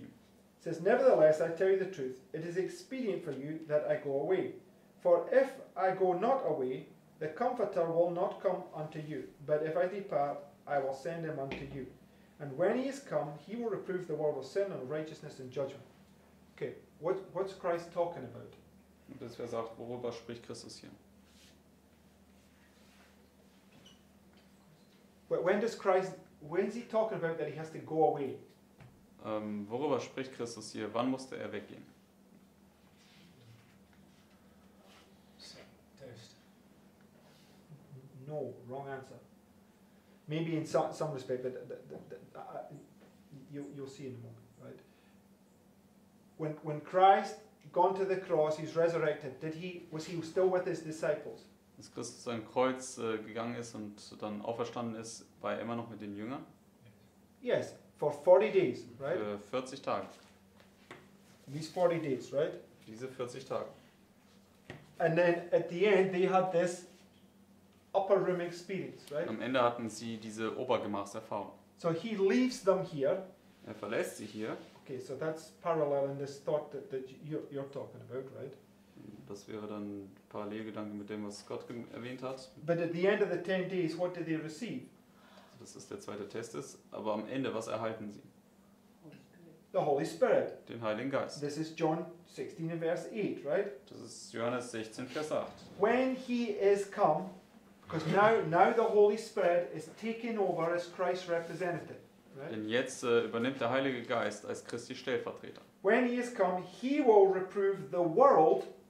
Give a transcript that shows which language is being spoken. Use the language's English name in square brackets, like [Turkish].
[English] It says, nevertheless, I tell you the truth, it is expedient for you that I go away. For if I go not away, the Comforter will not come unto you. But if I depart, I will send him unto you. And when he is come, he will reprove the world of sin and righteousness and judgment. Okay, what's Christ talking about? [German] Und das Vers sagt, worüber spricht Christus hier? [English] But when's he talking about that he has to go away? [German] Worüber spricht Christus hier? Wann musste er weggehen? [English] Test. No, wrong answer. Maybe in some respect, but you'll see in a moment, right? When Christ gone to the cross, he's resurrected. Was he still with his disciples? [German] Als Christus am Kreuz gegangen ist und dann auferstanden ist, war er immer noch mit den Jüngern? [English] Yes. For 40 days, right? [German] Für 40 Tage. [English] These 40 days, right? [German] Diese 40 Tage. [English] And then at the end they had this upper room experience, right? [German] Am Ende hatten sie diese Obergemachserfahrung. [English] So he leaves them here. [German] Er verlässt sie hier. [English] Okay, so that's parallel in this thought that you're talking about, right? [German] Das wäre dann Parallelgedanke mit dem, was Gott erwähnt hat. [English] But at the end of the 10 days, what did they receive? [German] Das ist der zweite Test, ist, aber am Ende, was erhalten sie? [English] The Holy Spirit. [German] Den Heiligen Geist. [English] This is John 16 and verse 8, right? [German] Das ist Johannes 16, Vers 8. [English] When he is come, because now the Holy Spirit is taken over as Christ's representative. Right? [German] Denn jetzt übernimmt der Heilige Geist als Christi Stellvertreter. [English] When he is come, he will reprove the world.